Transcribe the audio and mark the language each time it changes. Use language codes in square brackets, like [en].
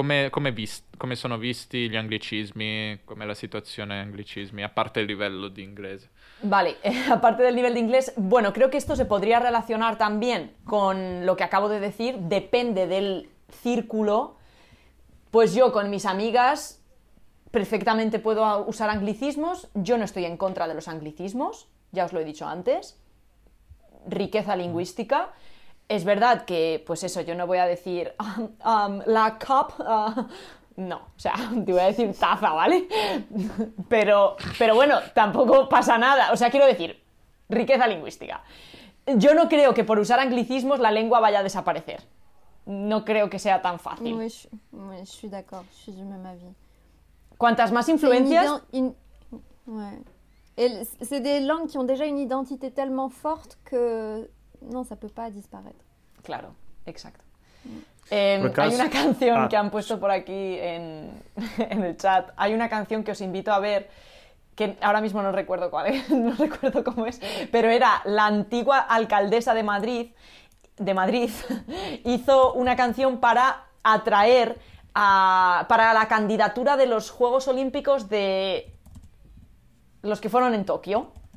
[it] come sono visti gli anglicismi, com'è la situazione anglicismi, a parte il livello di inglese? [es] Vale, a parte del [it] livello di inglese, [es] bueno, creo que esto se podría relacionar también con lo que acabo de decir, depende del círculo, pues yo con mis amigas perfectamente puedo usar anglicismos, yo no estoy en contra de los anglicismos, ya os lo he dicho antes, riqueza lingüística. Es verdad que, pues eso, yo no voy a decir la cup, no, o sea, te voy a decir taza, ¿vale? Pero bueno, tampoco pasa nada, o sea, quiero decir, riqueza lingüística. Yo no creo que por usar anglicismos la lengua vaya a desaparecer, no creo que sea tan fácil. [fr] Oui, je suis d'accord, je suis du même avis. [es] Cuantas más influencias... [fr] Ouais. C'est des langues qui ont déjà une identité tellement forte que... No, ça peut pas disparaître. [es] Claro, exacto. Hay una canción que han puesto por aquí en el chat. Hay una canción que os invito a ver, que ahora mismo no recuerdo cuál es, no recuerdo cómo es, pero era la antigua alcaldesa de Madrid, hizo una canción para atraer para la candidatura de los Juegos Olímpicos de los que fueron en Tokio.